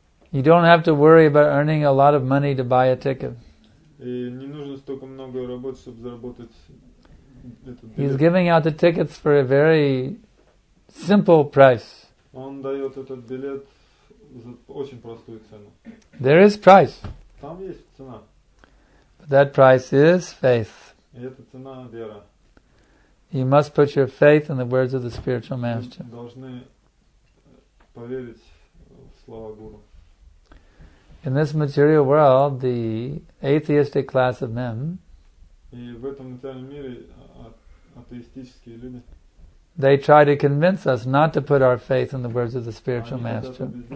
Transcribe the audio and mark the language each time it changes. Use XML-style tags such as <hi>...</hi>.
<en>You don't have to worry about earning a lot of money to buy a ticket.</en> <ru>И не нужно столько много работать, чтобы заработать этот билет.</ru> <en>He's giving out the tickets for a very simple price.</en> <ru>Он дает этот билет за очень простую цену.</ru> <en>There is price.</en> <ru>Там есть цена.</ru> <en>But that price is faith.</en> <ru>И эта цена — вера.</ru> <en>You must put your faith in the words of the spiritual master.</en> <ru>Вы должны поверить в слова гуру.</ru> <en>In this material world, the atheistic class of men, they try to convince us not to put our faith in the words of the spiritual master.</en>